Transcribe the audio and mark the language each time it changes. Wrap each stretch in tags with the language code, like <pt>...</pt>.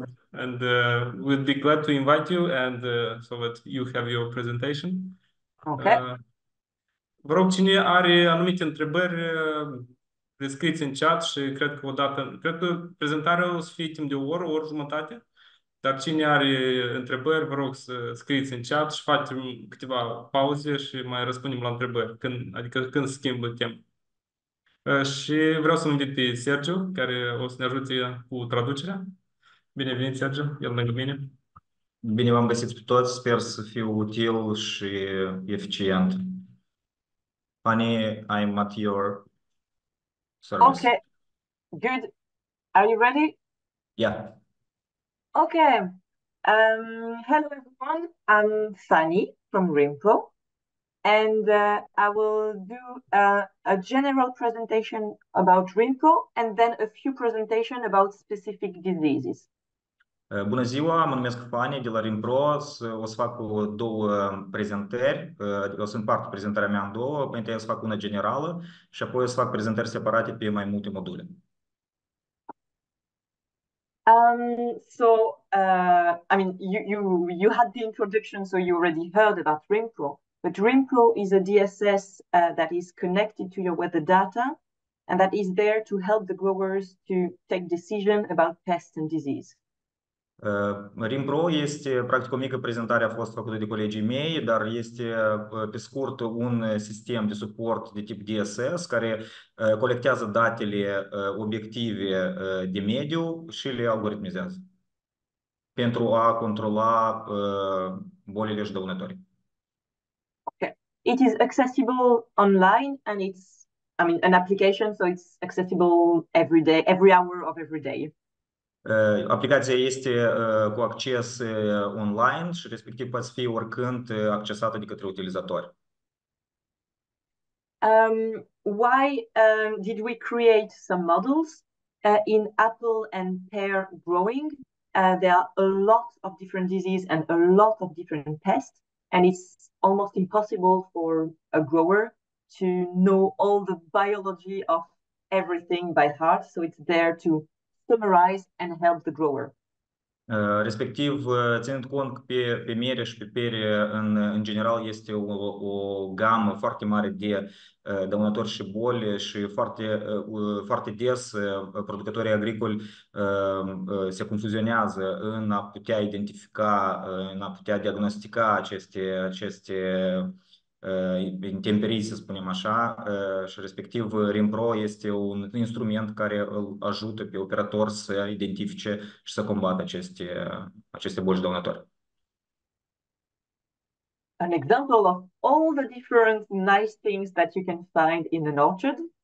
<en>And we'd be glad to invite you and so that you have your presentation.</en> <ro>Vă rog, cine are anumite întrebări, descrieți în chat și cred că prezentarea o să fie timp de o oră, o oră jumătate. Dar cine are întrebări, vă rog să scrieți în chat și facem câteva pauze și mai răspundem la întrebări, adică când schimbă tema. Și vreau să-l invit pe Sergiu, care o să ne ajute cu traducerea. Bine venit, Sergiu, el lângă mine. Bine v-am găsit pe toți, sper să fiu util și eficient.</ro> <en>Fanny, I'm at your service. Okay, good. Are you ready? Yeah. Okay. Hello everyone. I'm Fanny from RimPro, and I will do a general presentation about RimPro and then a few presentation about specific diseases.</en> <ro>Bună ziua, mă numesc Fanny de la RimPro. O să fac două prezentări. O să împart prezentarea mea în două. Înainte o să fac una generală și apoi o să fac prezentări separate pe mai multe module.</ro> <en>I mean, you had the introduction, so you already heard about RimPro. But RimPro is a DSS that is connected to your weather data and that is there to help the growers to take decision about pests and disease.</en> <ro>RimPro este, practic, o mică prezentare a fost făcută de colegii mei, dar este, pe scurt, un sistem de suport de tip DSS care colectează datele obiective de mediu și le algoritmizează pentru a controla bolile și dăunători.</ro> <en>It is accessible online and it's, I mean, an application, so it's accessible every day, every hour of every day.</en> <ro>Aplicația este cu acces online și respectiv poate fi oricând accesată de către utilizatori.</ro> <en>Why did we create some models in apple and pear growing? There are a lot of different diseases and a lot of different pests, and it's almost impossible for a grower to know all the biology of everything by heart, so it's there to summarize and help the grower.</en> <ro>Respectiv, ținând cont că pe mere și pe pere, în general, este o gamă foarte mare de dăunători și boli și foarte des producătorii agricoli se confuzionează în a putea identifica, în a putea diagnostica aceste intemperii, să spunem așa, și respectiv RIMPRO este un instrument care îl ajută pe operator să identifice și să combată aceste boli dăunători.</ro> <en>An example of all the different nice things that you can find in an orchard.</en>